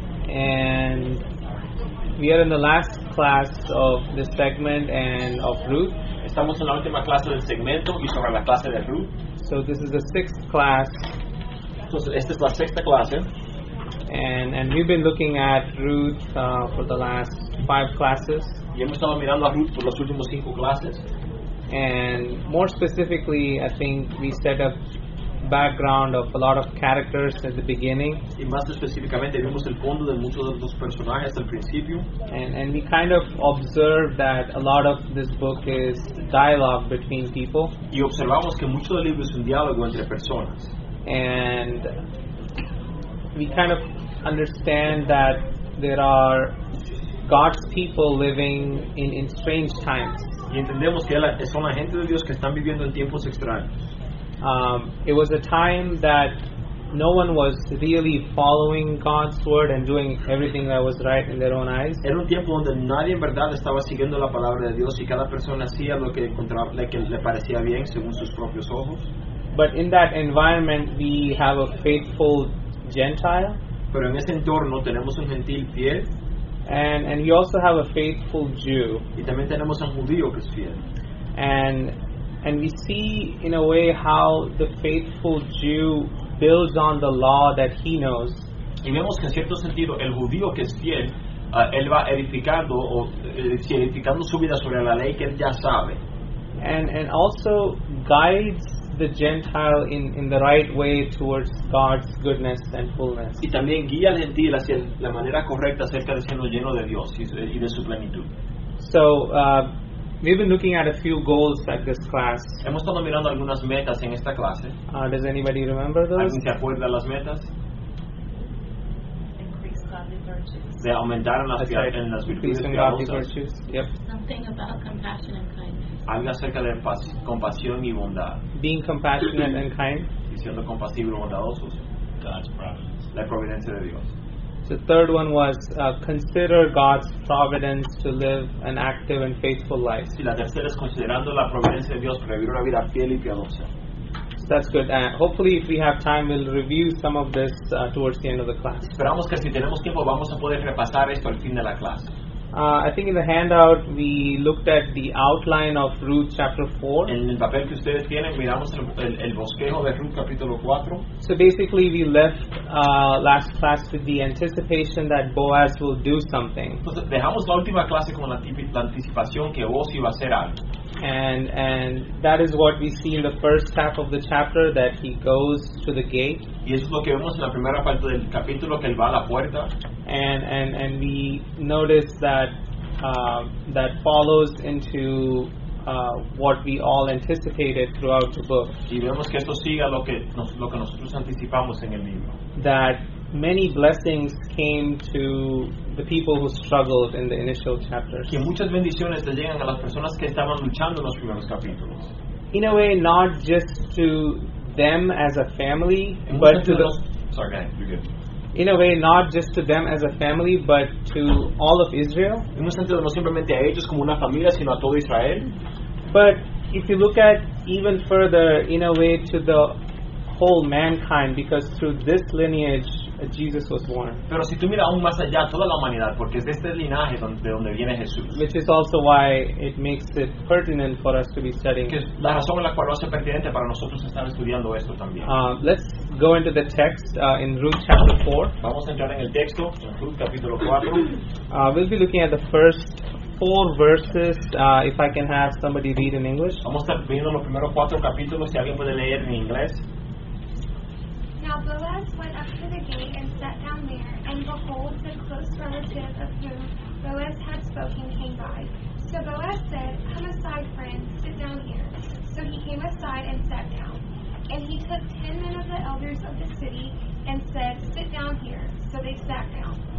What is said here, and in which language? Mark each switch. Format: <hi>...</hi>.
<en>And we are in the last class of this segment and of Ruth.</en> <es>Estamos en la última clase del segmento y sobre la clase de Ruth.</es> <en>So this is the sixth class.</en> <es>Entonces, esta es la sexta clase.</es> <en>And we've been looking at Ruth for the last five classes.</en> <es>Y hemos estado mirando a Ruth por los últimos cinco clases.</es> <en>And more specifically, I think we set up background of a lot of characters at the beginning.</en> <es>Y más específicamente vimos el fondo de muchos de los personajes al principio.</es> <en>And we kind of observed that a lot of this book is dialogue between people.</en> <es>Y observamos que mucho del libro es un diálogo entre personas.</es> <en>And we kind of understand that there are God's people living in strange times.</en> <es>Y entendemos que son la gente de Dios que están viviendo en tiempos extraños.</es> <en>It was a time that no one was really following God's word and doing everything that was right in their own eyes.</en> <es>Era un tiempo donde nadie en verdad estaba siguiendo la palabra de Dios y cada persona hacía lo que encontraba, que le parecía bien según sus propios ojos.</es> <en>But in that environment, we have a faithful Gentile.</en> <es>Pero en ese entorno tenemos un gentil fiel.</es> <en>And we also have a faithful Jew.</en> <es>Y también tenemos un judío que es fiel.</es> <en>And we see, in a way, how the faithful Jew builds on the law that he knows.</en> <es>Y vemos que en cierto sentido, el judío que es fiel, él va edificando su vida sobre la ley que él ya sabe.</es> <en>And also guides the Gentile in the right way towards God's goodness and fullness.</en> <es>Y también guía al gentil hacia la manera correcta acerca de siendo lleno de Dios y de su plenitud.</es> <en>So, we've been looking at a few goals at this class.</en> <es>Hemos estado mirando algunas metas en esta clase.</es> <en>Does anybody remember those?</en> <es>¿Alguien se acuerda las metas?</es> <en>Increase godly virtues.</en> <es>De aumentar las virtudes.</es> <en>Increase godly virtues. Something about compassion and kindness.</en> <es>Habla acerca de compasión y bondad.</es> <en>Being compassionate and kind.</en> <es>Y siendo compasivo y bondadoso.</es> <en>God's providence.</en> <es>La providencia de Dios.</es> <en>The third one was consider God's providence to live an active and faithful life.</en> <es>Sí, la tercera es considerando la providencia de Dios para vivir una vida fiel y piadosa.</es> <en>So that's good. Hopefully, if we have time, we'll review some of this towards the end of the class.</en> <es>Esperamos que si tenemos tiempo vamos a poder repasar esto al fin de la clase.</es> <en>I think in the handout we looked at the outline of Ruth chapter 4.</en> <es>En el papel que ustedes tienen miramos el bosquejo de Ruth capítulo 4.</es> <en>So basically we left last class with the anticipation that Boaz will do something.</en> <es>Entonces dejamos la última clase con la anticipación que Boaz iba a hacer algo.</es> <en>And that is what we see in the first half of the chapter, that he goes to the gate.</en> <es>Y eso es lo que vemos en la primera parte del capítulo, que él va a la puerta.</es> <en>And we notice that that follows into what we all anticipated throughout the book.</en> <es>Y vemos que esto sigue lo que nosotros anticipamos en el libro.</es> <en>That many blessings came to the people who struggled in the initial chapters.</en> <es>Que muchas bendiciones le llegan a las personas que estaban luchando en los primeros capítulos.</es> <en>In a way, not just to them as a family, In a way, not just to them as a family, but to all of Israel.</en> <es>En un sentido, no simplemente a ellos como una familia, sino a todo Israel.</es> <en>But if you look at even further, in a way, to the whole mankind, because through this lineage, Jesus was born.</en> <es>Pero si tú miras aún más allá, toda la humanidad, porque es de este linaje de donde viene Jesús.</es> <en>Which is also why it makes it pertinent for us to be studying.</en> <es>Que es la razón en la cual lo hace pertinente para nosotros estar estudiando esto también.</es> <en>Let's go into the text in Ruth chapter 4.</en> <es>Vamos a entrar en el texto, en Ruth capítulo 4.</es> <en>We'll be looking at the first four verses, if I can have somebody read in English.</en> <es>Vamos a estar viendo los primeros cuatro capítulos, si alguien puede leer en inglés.</es> <en>Now Boaz went up to the gate and sat down there, and behold, the close relative of whom Boaz had spoken came by. So Boaz said, "Come aside, friend, sit down here." So he came aside and sat down. And he took 10 men of the elders of the city and said, "Sit down here." So they sat down.</en>